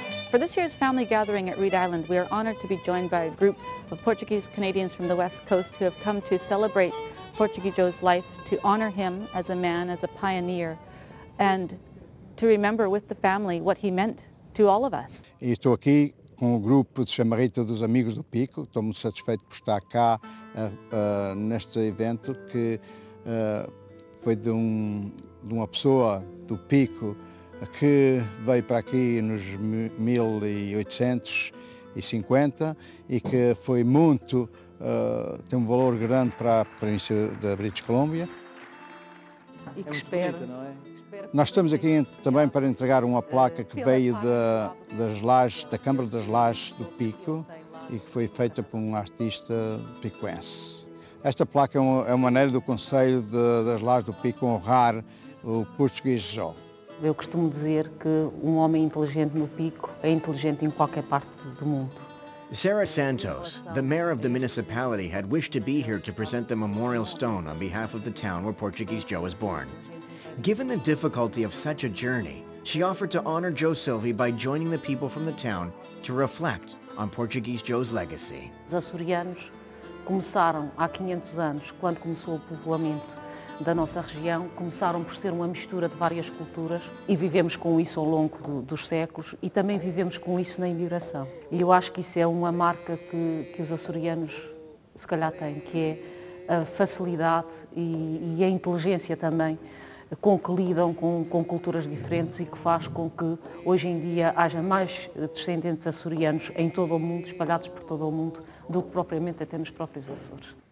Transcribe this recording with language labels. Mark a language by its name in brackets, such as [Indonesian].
[English] For this year's family gathering at Reid Island, we are honored to be joined by a group of Portuguese Canadians from the West Coast who have come to celebrate Portuguese Joe's life, to honor him as a man, as a pioneer, and to remember with the family what he meant to all of us. [Portuguese] Estou aqui com o grupo de chamarrita dos Amigos do Pico. Estou muito satisfeito por estar cá neste evento que foi de uma pessoa do Pico que veio para aqui nos 1850 e que foi muito, tem um valor grande para a província da British Columbia. E que espera, não é? Nós estamos aqui também para entregar uma placa que veio das lajes, da Câmara das Lajes do Pico e que foi feita por um artista picoense. Esta placa é uma maneira do Conselho das Lajes do Pico honrar o português Joe. Eu costumo dizer que um homem inteligente no Pico é inteligente em qualquer parte do mundo. [English] Sarah Santos, the mayor of the municipality, had wished to be here to present the memorial stone on behalf of the town where Portuguese Joe was born. Given the difficulty of such a journey, she offered to honor Joe Silvey by joining the people from the town to reflect on Portuguese Joe's legacy. [Portuguese] Os açorianos começaram há 500 anos, quando começou o povoamento da nossa região, começaram por ser uma mistura de várias culturas e vivemos com isso ao longo dos séculos e também vivemos com isso na imigração. E eu acho que isso é uma marca que os açorianos se calhar têm, que é a facilidade e a inteligência também com que lidam com culturas diferentes e que faz com que hoje em dia haja mais descendentes açorianos em todo o mundo, espalhados por todo o mundo, do que propriamente até nos próprios Açores.